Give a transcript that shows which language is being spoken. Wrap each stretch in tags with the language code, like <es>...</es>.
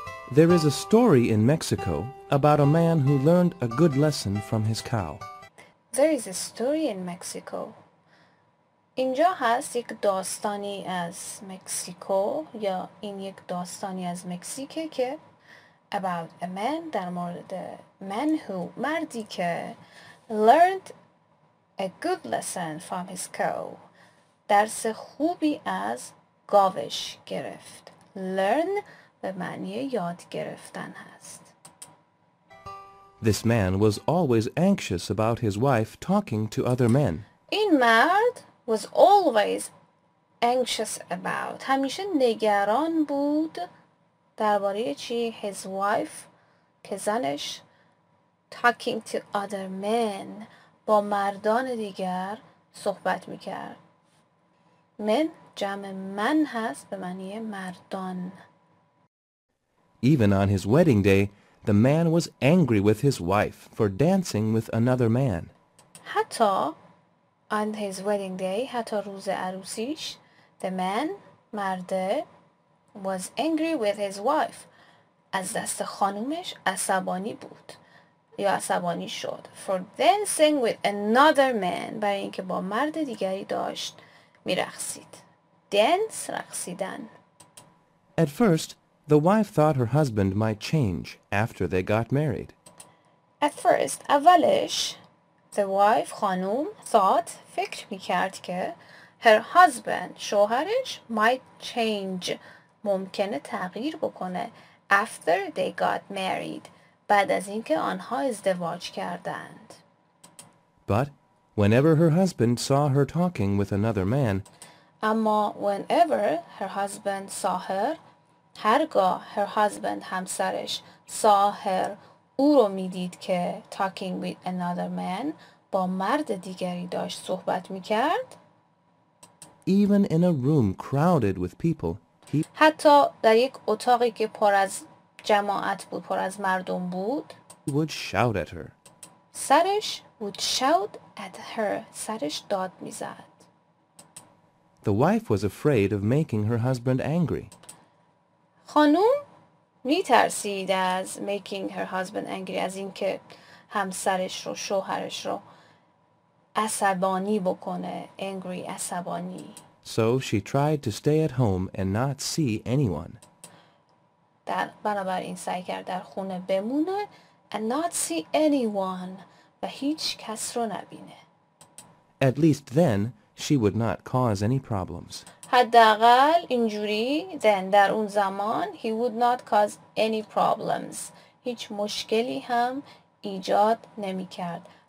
<en>There is a story in Mexico about a man who learned a good lesson from his cow. There is a story in Mexico.</en> <fa>اینجا هست یک داستانی از مکسیکو، یا این یک داستانی از مکزیکه که</fa> <en>about a man،</en> <fa>در مورد</fa> <en>man who،</en> <fa>مردی که</fa> <en>learned a good lesson from his cow،</en> <fa>درس خوبی از گاوش گرفت. learn به معنی یاد گرفتن هست.</fa> <en>This man was always anxious about his wife talking to other men.</en> <fa>این مرد</fa> <en>was always anxious about.</en> <fa>همیشه نگران بود درباره چی؟</fa> <en>His wife،</en> <fa>پزنش،</fa> <en>talking to other men،</en> <fa>با مردان دیگر صحبت میکرد. Men جمع من هست به معنی مردان.</fa> <en>Even on his wedding day, the man was angry with his wife for dancing with another man.</en> <fa>حتی</fa> <en>on his wedding day،</en> <fa>حتی روز عروسیش،</fa> <en>the man، مرد was angry with his wife.</en> <fa>از دست خانومش عصبانی بود یا عصبانی شد.</fa> <en>For dancing with another man.</en> <fa>برای اینکه با مرد دیگری داشت میرخصید. Dance رخصیدن.</fa> <en>At first, the wife thought her husband might change after they got married. At first,</en> <fa>اولش,</fa> <en>the wife,</en> <fa>خانوم,</fa> <en>thought,</en> <fa>فکر میکرد که</fa> <en>her husband,</en> <fa>شوهرش,</fa> <en>might change,</en> <fa>ممکنه تغییر بکنه,</fa> <en>after they got married,</en> <fa>بعد از اینکه آنها ازدواج کردند.</fa> <en>But whenever her husband saw her talking with another man,</en> <fa>اما</fa> <en>whenever her husband saw her,</en> <fa>هرگاه</fa> <en>her husband,</en> <fa>همسرش,</fa> <en>saw her,</en> <fa>او رو می دید که</fa> <en>talking with another man</en> <fa>با مرد دیگری داشت صحبت می کرد.</fa> <en>Even in a room crowded with people, he</en> <fa>حتی در یک اتاقی که پر از جماعت بود، پر از مردم بود،</fa> <en>would shout at her.</en> <fa>سرش</fa> <en>would shout at her.</en> <fa>سرش داد می زد.</fa> <en>The wife was afraid of making her husband angry.</en> <fa>خانوم می ترسید از</fa> <en>making her husband angry،</en> <fa>از اینکه همسرش رو، شوهرش رو عصبانی بکنه، angry، عصبانی.</fa> <en>So she tried to stay at home and not see anyone.</en> <fa>در بنابراین سعی کرد در خونه بمونه</fa> <en>and not see anyone،</en> <fa>و هیچ کس رو نبینه.</fa> <en>At least then she would not cause any problems.</en> <fa>حداقل اینجوری</fa> <en>then</en> <fa>در اون زمان</fa> <en>he would not cause any problems،</en> <fa>هیچ مشکلی هم ایجاد نمی کرد.</fa>